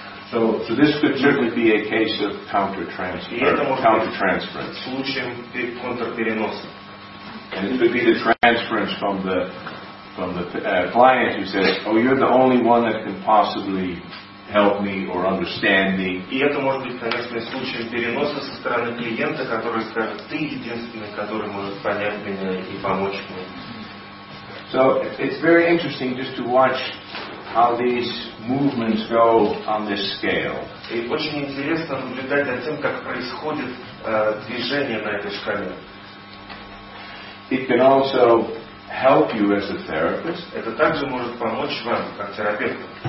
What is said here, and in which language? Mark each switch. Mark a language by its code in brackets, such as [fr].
[en] So this could certainly be a case of counter-transference. [ru] Случаем контрпереноса. [en] And it could be the transference from the from the client who says, "Oh, you're the only one that can possibly help me or understand me." [ru] И это может быть, конечно, случаем переноса со стороны клиента, который скажет: "Ты единственный, который может понять меня и помочь мне." [en] So it's very interesting just to watch how these movements go on this scale. [ru] И очень интересно наблюдать за тем, как происходит движение на этой шкале. [en] It can also help you as a therapist. [ru] Это также может помочь вам как терапевту.